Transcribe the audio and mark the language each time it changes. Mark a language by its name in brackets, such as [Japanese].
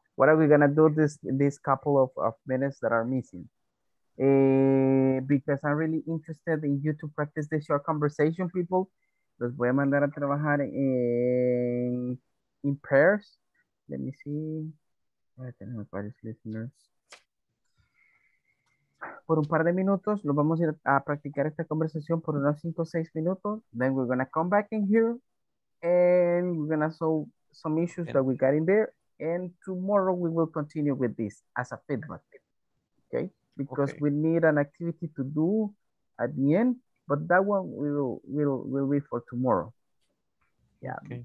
[English] What are we gonna do this couple of minutes that are missing? Because I'm really interested in you to practice this short conversation, people. [Spanish] Los voy a mandar a trabajar [English] in pairs. Let me see. [Spanish] Voy a tener varios listeners. Por un par de minutos, los vamos a ir a practicar esta conversación por unos 5 o 6 minutos. [English] Then we're going to come back in here. And we're going to solve some issues that we got in there. And tomorrow we will continue with this as a feedback. Okay. Because okay. We need an activity to do at the end, but that one will be for tomorrow. Yeah, okay.